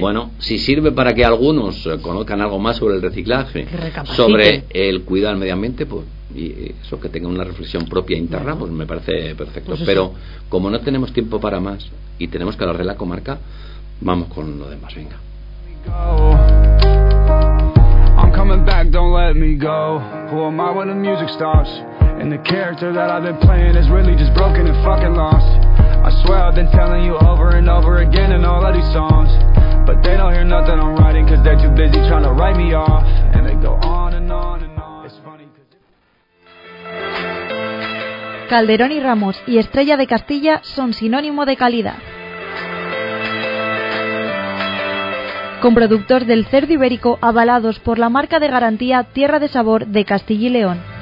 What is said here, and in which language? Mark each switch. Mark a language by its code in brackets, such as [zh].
[es] Bueno, si sirve para que algunos conozcan algo más sobre el reciclaje, sobre el cuidado al medio ambiente, pues, y eso, que tenga una reflexión propia interna, bueno, pues me parece perfecto. Pues pero como no tenemos tiempo para más y tenemos que hablar de la comarca, vamos con lo demás, venga. [en] I'm coming back, don't let me go. Who am I when the music stops? And the character that I've been playing is really just broken and fucking lost. I swear I've been telling you over and over again in all of these songs, but they don't hear nothing I'm writing cause they're too busy trying to write me off. And they go on and on and on. It's funny cause... [es] Calderón y Ramos y Estrella de Castilla son sinónimo de calidad. Con productos del cerdo ibérico avalados por la marca de garantía Tierra de Sabor de Castilla y León.